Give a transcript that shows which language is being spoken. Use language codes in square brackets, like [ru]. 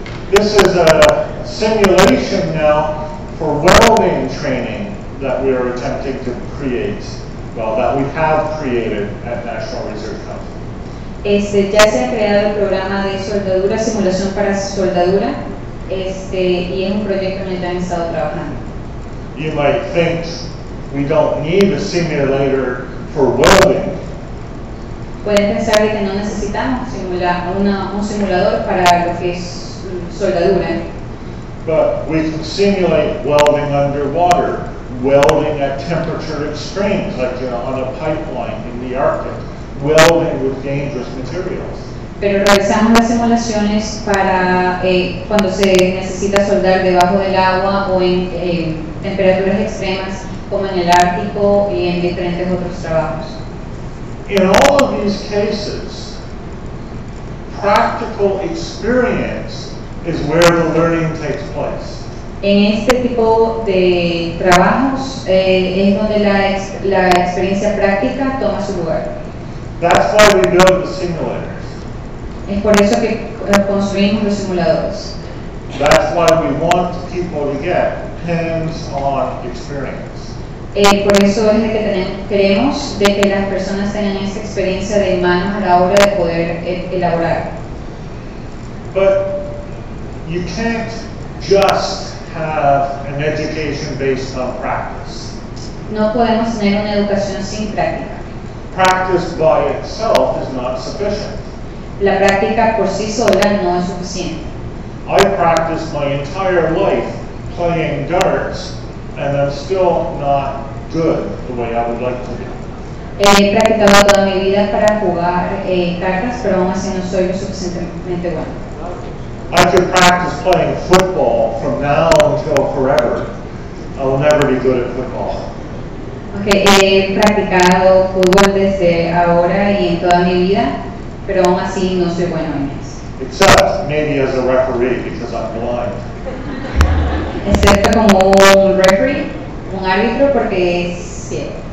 [en] This is a simulation now for welding training that we are attempting to create, well, that we have created at National Research Council. [es] Ya se ha creado el programa de soldadura, simulación para soldadura, y es un proyecto en el que han estado trabajando. [en] you might think we don't need a simulator for welding. [es] Puedes pensar que no necesitamos un simulador para lo que es soldadura. [en] But we can simulate welding underwater, welding at temperature extremes, like you know, on a pipeline in the Arctic, welding with dangerous materials. [es] Pero realizamos las simulaciones para cuando se necesita soldar debajo del agua o en temperaturas extremas, como en el Ártico y en diferentes otros trabajos. [en] In all of these cases, practical experience is where the learning takes place. [es] En este tipo de trabajos es donde la experiencia práctica toma su lugar. [en] That's why we build the simulators. [es] Es por eso que construimos los simuladores. [en] That's why we want people to get hands-on experience. [es] Por eso es que queremos de que las personas tengan esa experiencia de manos a la obra de poder elaborar. [en] But you can't just have an education based on practice. [es] No podemos tener una educación sin práctica. [en] Practice by itself is not sufficient. [es] La práctica por sí sola no es suficiente. [en] I practiced my entire life playing darts and I'm still not good the way I would like to be. [es] He practicado toda mi vida para jugar cartas, pero aún así no soy lo suficientemente bueno. [en] I could practice playing football from now until forever. I will never be good at football. [es] Okay, he practicado fútbol desde ahora y en toda mi vida, pero aún así no soy bueno en eso. [en] Except maybe as a referee because I'm blind. [es] Excepto como un referee, un árbitro porque es ciego.